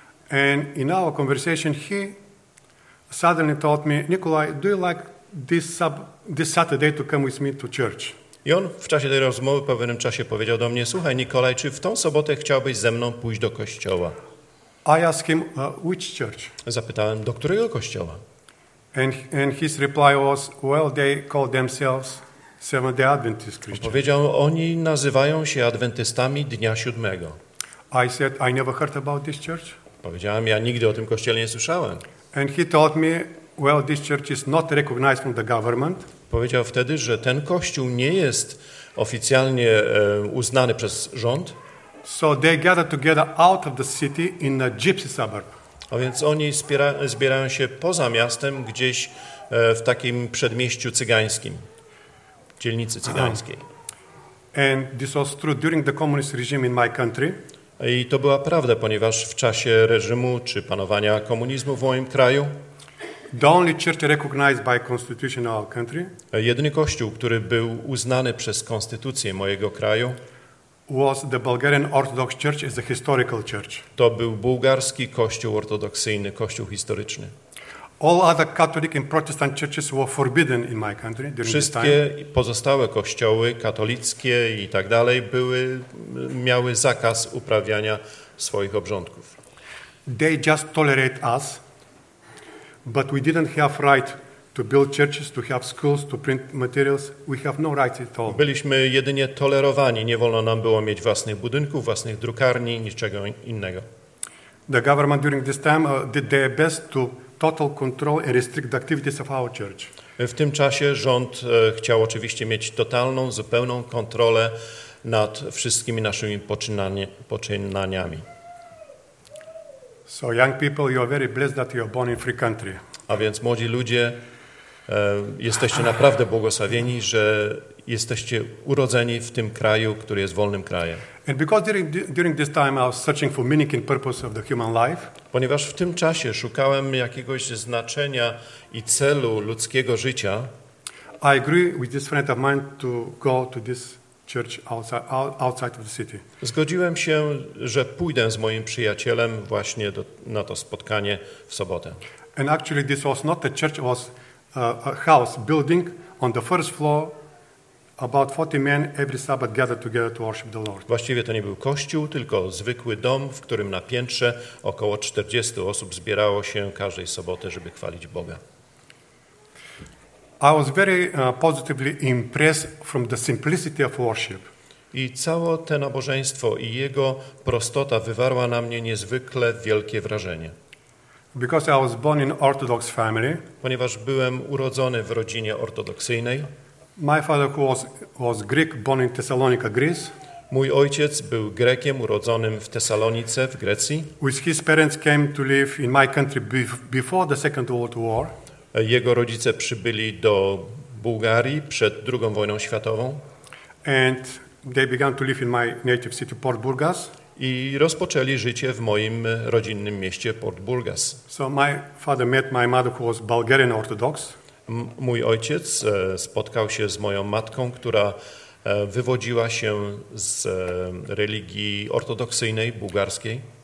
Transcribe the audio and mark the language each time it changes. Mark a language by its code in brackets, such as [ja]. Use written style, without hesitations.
[en] And in our conversation, he suddenly told me, Nikolaj, do you like this Saturday to come with me to church. [pl] I on w czasie tej rozmowy po pewnym czasie powiedział do mnie, słuchaj Nikolaj, czy w tą sobotę chciałbyś ze mną pójść do kościoła? [en] I asked him, which church? [pl] Zapytałem, do którego kościoła? [en] And his reply was, well, they call themselves Seventh-day Adventist Christians. [pl] Powiedział, oni nazywają się Adwentystami Dnia Siódmego. [en] I said, I never heard about this church. [pl] Powiedziałem, ja nigdy o tym kościele nie słyszałem. [en] And he told me, well, this church is not recognized from the government. [pl] Powiedział wtedy, że ten kościół nie jest oficjalnie uznany przez rząd. [en] So they gather together out of the city in a gypsy suburb. [pl] A więc oni zbierają się poza miastem, gdzieś w takim przedmieściu cygańskim, dzielnicy cygańskiej. [en] And this was true during the communist regime in my country. [pl] I to była prawda, ponieważ w czasie reżimu czy panowania komunizmu w moim kraju. [en] The only church recognized by constitutional country. [pl] Jedyny kościół, który był uznany przez konstytucję mojego kraju. [en] Was the Bulgarian Orthodox Church as a historical church. [pl] To był bułgarski kościół ortodoksyjny, kościół historyczny. [en] All other Catholic and Protestant churches were forbidden in my country during this time. [pl] Pozostałe kościoły katolickie i tak dalej miały zakaz uprawiania swoich obrządków. [en] They just tolerate us, but we didn't have right to build churches, to have schools, to print materials. We have no right at all. [pl] Byliśmy jedynie tolerowani. Nie wolno nam było mieć własnych budynków, własnych drukarni, niczego innego. [en] The government during this time did their best to total control and restrict the activities of our church. [pl] W tym czasie rząd chciał oczywiście mieć totalną, zupełną kontrolę nad wszystkimi naszymi poczynaniami. [en] So young people, you are very blessed that you are born in free country. [pl] A więc młodzi ludzie, jesteście naprawdę błogosławieni, że jesteście urodzeni w tym kraju, który jest wolnym krajem. [en] And because during this time I was searching for meaning and purpose of the human life. [pl] Ponieważ w tym czasie szukałem jakiegoś znaczenia i celu ludzkiego życia. [en] I agree with this friend of mine to go to this church outside of the city. [pl] Zgodziłem się, że pójdę z moim przyjacielem właśnie na to spotkanie w sobotę. [en] And actually this was not the church, it was a house building on the first floor. About 40 men every Sabbath gathered together to worship the Lord. [pl] Właściwie to nie był kościół, tylko zwykły dom, w którym na piętrze około 40 osób zbierało się każdej soboty, żeby chwalić Boga. [en] I was very positively impressed from the simplicity of worship. [pl] I całe to nabożeństwo i jego prostota wywarła na mnie niezwykle wielkie wrażenie. [en] Because I was born in Orthodox family. [pl] Ponieważ byłem urodzony w rodzinie ortodoksyjnej. [en] My father was Greek, born in Thessalonica, Greece. [pl] Mój ojciec był Grekiem urodzonym w Tesalonice w Grecji. [en] With his parents came to live in my country before the Second World War. [pl] Jego rodzice przybyli do Bułgarii przed II wojną światową. [en] And they began to live in my native city Port Burgas. [pl] I rozpoczęli życie w moim rodzinnym mieście Port Burgas. [en] So my father met my mother who was Bulgarian Orthodox. [pl] Mój ojciec spotkał się z moją matką, która wywodziła się z religii ortodoksyjnej bułgarskiej.